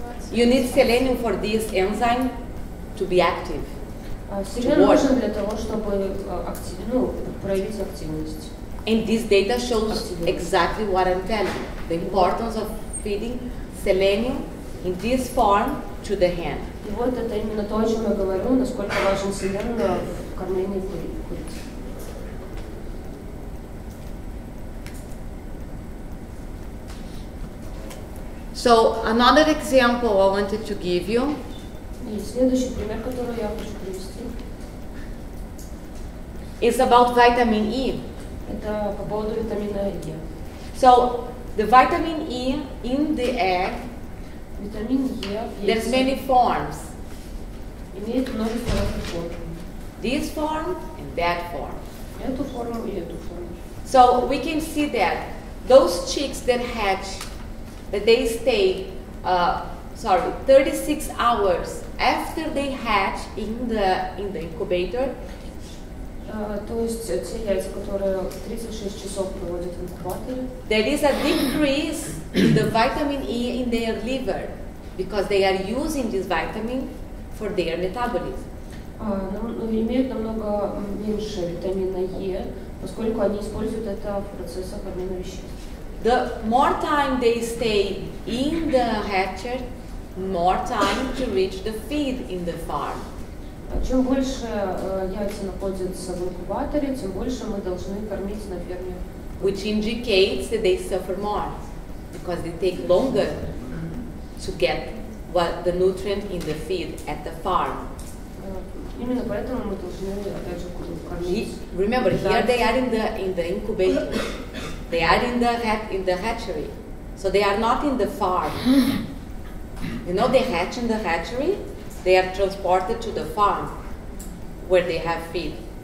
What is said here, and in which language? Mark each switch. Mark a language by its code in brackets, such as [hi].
[en] You need selenium for this enzyme to be active. [ru] Селен нужен для того, чтобы проявить активность. [en] And this data shows exactly what I'm telling you. The importance of feeding selenium in this form to the hen. [ru] И вот это именно то, о чем я говорю, насколько важен селен в кормлении курицы. [en] So another example I wanted to give you. [ru] И следующий пример, который я хочу привести. [en] It's about vitamin E. [ru] Это по поводу витамина E. [en] So the vitamin E in the egg. [ru] Витамин E. [en] There's many forms. [ru] Имеет множество разных форм. [en] This form and that form. [ru] Эту форму и эту форму. [en] So we can see that those chicks that hatch. That they stay, 36 hours after they hatch in the incubator. [ru] То есть те яйца, которые 36 часов проводят в инкубаторе. [en] There is a decrease in the vitamin E in their liver, because they are using this vitamin for their metabolism. [ru] Имеют намного меньше витамина Е, поскольку они используют это в процессах обмена веществ. [en] The more time they stay in the hatcher, more time to reach the feed in the farm. [ru] Чем больше яйца находятся в инкубаторе, тем больше мы должны кормить на ферме. [en] Which indicates that they suffer more, because they take longer to get what the nutrient in the feed at the farm. [ru] Именно поэтому мы должны опять же кормить. [en] Remember, here they are in the incubator. They are in the hatchery, so they are not in the farm. You know, they hatch in the hatchery, they are transported to the farm, where they have feed.